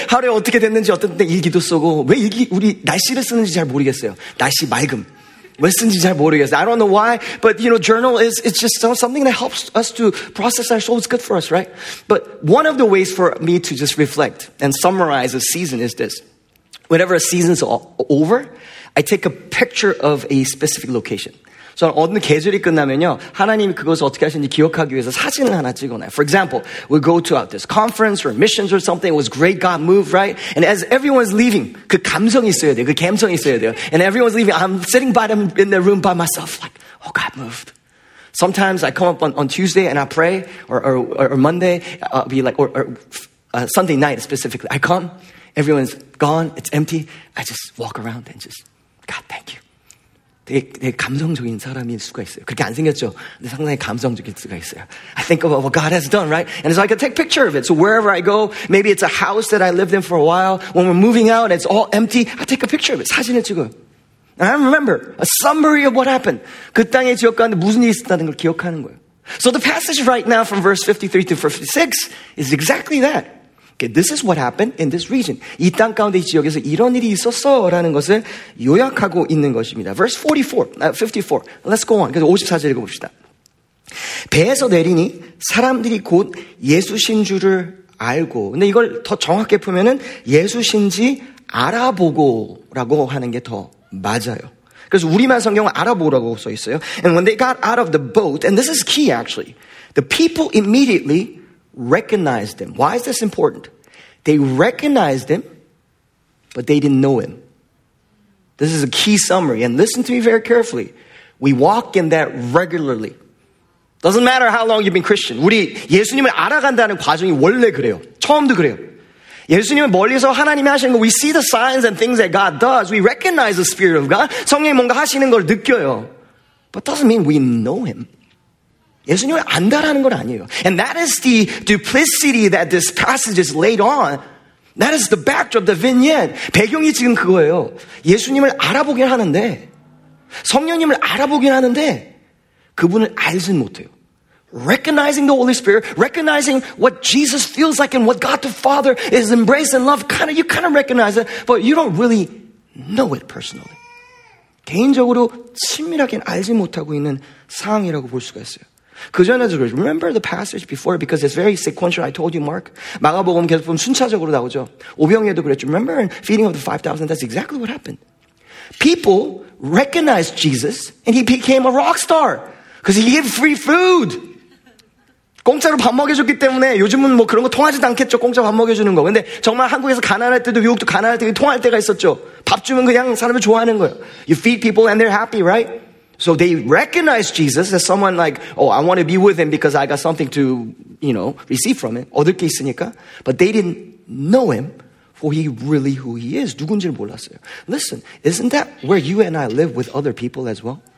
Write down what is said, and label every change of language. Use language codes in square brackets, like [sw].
[ko] 하루에 어떻게 됐는지, 어떤 때 일기도 쓰고. 왜 일기, 우리 날씨를 쓰는지 잘 모르겠어요. 날씨 맑음. 왜 쓰는지 잘 모르겠어요. [en] I don't know why, but you know, journal is, it's just something that helps us to process our souls. It's good for us, right? But one of the ways for me to just reflect and summarize a season is this. Whenever a season's over, I take a picture of a specific location. [ko] So 어느 계절이 끝나면요, 하나님이 그것을 어떻게 하시는지 기억하기 위해서 사진을 하나 찍어놔요. [en] For example, we go to this conference or missions or something. It was great. God moved, right? And as everyone's leaving, [ko] 그 감성이 있어야 돼요. 그 감성이 있어야 돼요. [en] And everyone's leaving. I'm sitting by them in their room by myself, like, oh, God moved. Sometimes I come up on Tuesday and I pray, or Monday, I'll be like, or Sunday night specifically, I come. Everyone's gone. It's empty. I just walk around and just, God, thank you. [ko] 되게 감성적인 사람일 수가 있어요. 그렇게 안 생겼죠? 근데 상당히 감성적일 수가 있어요. [en] I think about what God has done, right? And so I can take a picture of it. So wherever I go, maybe it's a house that I lived in for a while. When we're moving out, it's all empty. I take a picture of it. [ko] 사진을 찍어요. [en] And I remember a summary of what happened. [ko] 그 땅에 지옥 가운데 무슨 일이 있었다는 걸 기억하는 거예요. [en] So the passage right now from verse 53 to 56 is exactly that. Okay, this is what happened in this region. [ko] 이 땅 가운데 이 지역에서 이런 일이 있었어라는 것을 요약하고 있는 것입니다. [en] Verse 54. Let's go on. [ko] 그래서 54절 읽어봅시다. 배에서 내리니 사람들이 곧 예수신 줄을 알고. 근데 이걸 더 정확하게 보면은 예수신지 알아보고라고 하는 게 더 맞아요. 그래서 우리말 성경은 알아보라고 써 있어요. [en] And when they got out of the boat, and this is key actually, the people immediately recognized him. Why is this important? They recognized him, but they didn't know him. This is a key summary. And listen to me very carefully. We walk in that regularly. Doesn't matter how long you've been Christian. [ko] 우리 예수님을 알아간다는 과정이 원래 그래요. 처음도 그래요. 예수님은 멀리서 하나님이 하시는 거, [en] we see the signs and things that God does. We recognize the Spirit of God. [ko] 성령이 뭔가 하시는 걸 느껴요. [en] But doesn't mean we know him. [ko] 예수님을 안다라는 건 아니에요. [en] And that is the duplicity that this passage is laid on. That is the backdrop, the vignette. [ko] 배경이 지금 그거예요. 예수님을 알아보긴 하는데, 성령님을 알아보긴 하는데, 그분을 알진 못해요. [en] Recognizing the Holy Spirit, recognizing what Jesus feels like and what God the Father is embraced and loved, you kind of recognize it, but you don't really know it personally. [ko] 개인적으로 친밀하게는 알지 못하고 있는 상황이라고 볼 수가 있어요. 그 전에도 그래요. [en] Remember the passage before because it's very sequential. I told you, Mark. [ko] 마가복음 계속 보면 순차적으로 나오죠. 오병이에도 그랬죠. [en] Remember in feeding of the 5,000? That's exactly what happened. People recognized Jesus and he became a rock star because he gave free food. [ko] 공짜로 밥 먹여줬기 때문에 요즘은 뭐 그런 거 통하지도 않겠죠. 공짜로 밥 먹여주는 거. 근데 정말 한국에서 가난할 때도 미국도 가난할 때도 통할 때가 있었죠. 밥 주면 그냥 사람이 좋아하는 거예요. [en] You feed people and they're happy, right? So they recognize Jesus as someone like, oh, I want to be with him because I got something to, you know, receive from him. [ko] 얻을 게 있으니까. [en] But they didn't know him for he really who he is. [ko] 누군지를 몰랐어요. [en] Listen, isn't that where you and I live with other people as well?